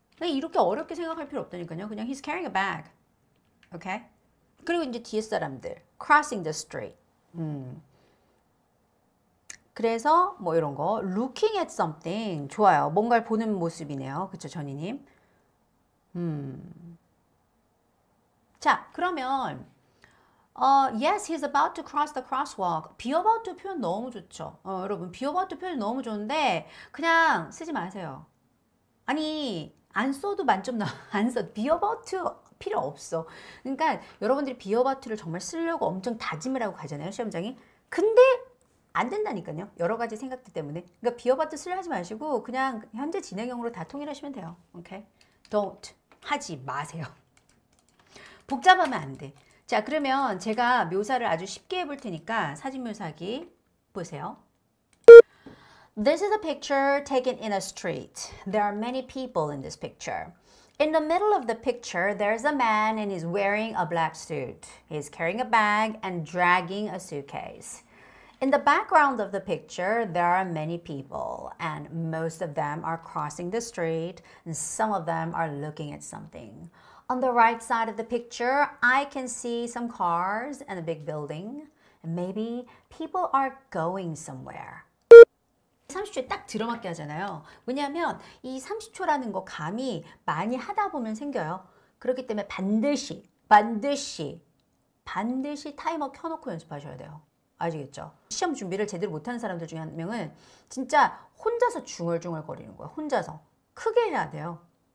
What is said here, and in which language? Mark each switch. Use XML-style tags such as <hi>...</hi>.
<ko>이렇게 어렵게 생각할 필요 없다니까요.</ko> <en>그냥 he's carrying a bag. 오케이.</en> <ko>그리고 이제 뒤에 사람들.</ko> <en>crossing the street.</en> <ko>그래서 뭐 이런 거.</ko> <en>looking at something.</en> <ko>좋아요. 뭔가를 보는 모습이네요. 그쵸, 전희님? 자, 그러면</ko> <en>yes, he's about to cross the crosswalk.</en> <ko>be about to 표현 너무 좋죠. 여러분, be about to 표현 너무 좋은데 그냥 쓰지 마세요. 아니, 안 써도 만점 나, 안 써. be about to 필요 없어. 그러니까 여러분들이 be about to를 정말 쓰려고 엄청 다짐을 하고 가잖아요, 시험장이. 근데 안 된다니까요. 여러 가지 생각들 때문에. 그러니까 be about to 쓰려 하지 마시고 그냥 현재 진행형으로 다 통일하시면 돼요. 오케이?</ko> <en>Don't.</en> <ko>하지 마세요. 복잡하면 안 돼. 자, 그러면 제가 묘사를 아주 쉽게 해볼 테니까 사진 묘사하기 보세요.</ko> <en>This is a picture taken in a street. There are many people in this picture. In the middle of the picture, there's a man and he's wearing a black suit. He's carrying a bag and dragging a suitcase. In the background of the picture, there are many people and most of them are crossing the street and some of them are looking at something. On the right side of the picture, I can see some cars and a big building. And maybe people are going somewhere.</en> <ko>30초에 딱 들어맞게 하잖아요. 왜냐하면 이 30초라는 거 감이 많이 하다 보면 생겨요. 그렇기 때문에 반드시, 반드시, 반드시 타이머 켜놓고 연습하셔야 돼요. 아시겠죠? 시험 준비를 제대로 못하는 사람들 중에 한 명은 진짜 혼자서 중얼중얼 거리는 거예요. 혼자서. 크게 해야 돼요.</ko>